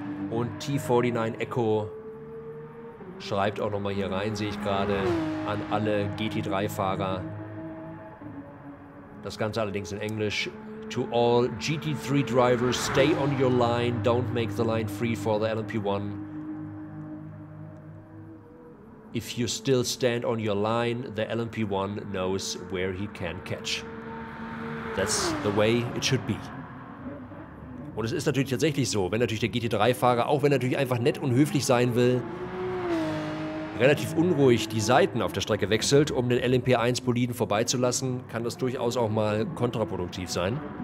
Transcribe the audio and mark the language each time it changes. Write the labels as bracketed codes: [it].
[de] Und T49 Echo schreibt auch nochmal hier rein, sehe ich gerade, an alle GT3-Fahrer. Das Ganze allerdings in Englisch. [en] To all GT3 drivers, stay on your line, don't make the line free for the LMP1. If you still stand on your line, the LMP1 knows where he can catch. That's the way it should be. [de] Und es ist natürlich tatsächlich so, wenn natürlich der GT3-Fahrer, auch wenn er natürlich einfach nett und höflich sein will, relativ unruhig die Seiten auf der Strecke wechselt, um den LMP1-Boliden vorbeizulassen, kann das durchaus auch mal kontraproduktiv sein.